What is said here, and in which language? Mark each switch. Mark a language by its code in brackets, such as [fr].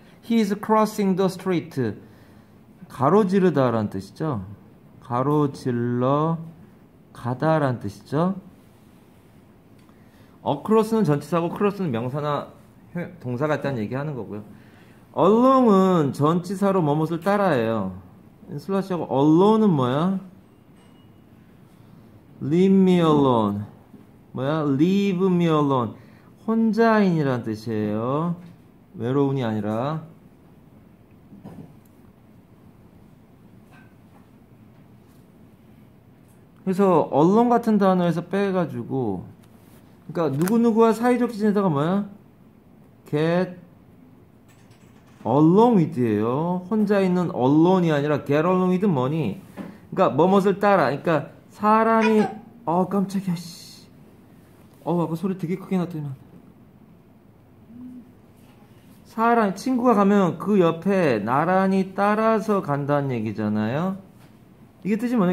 [en] He is crossing the street. [ko] 가로지르다 라는 뜻이죠. 가로질러 가다 라는 뜻이죠. Across는 전치사고 cross는 명사나 동사 같다는 얘기하는 거고요. Along은 전치사로 뭐뭇을 따라해요. 슬래시하고 Alone은 뭐야? [en] Leave me alone. [ko] 뭐야? [en] Leave me alone. [ko] 혼자인이라는 뜻이에요. 외로운이 아니라. 그래서 언론 같은 단어에서 빼가지고 그러니까 누구누구와 사이좋게 지내다가 뭐야? [en] Get along with예요. [ko] 혼자 있는 언론이 아니라 [en] get along with [ko] 뭐니? 그러니까 뭐뭇을 따라. 그러니까 사람이 어 깜짝이야 씨. 어 아까 소리 되게 크게 났더니만 사람 친구가 가면 그 옆에 나란히 따라서 간다는 얘기잖아요. 이게 뜻이 뭐냐?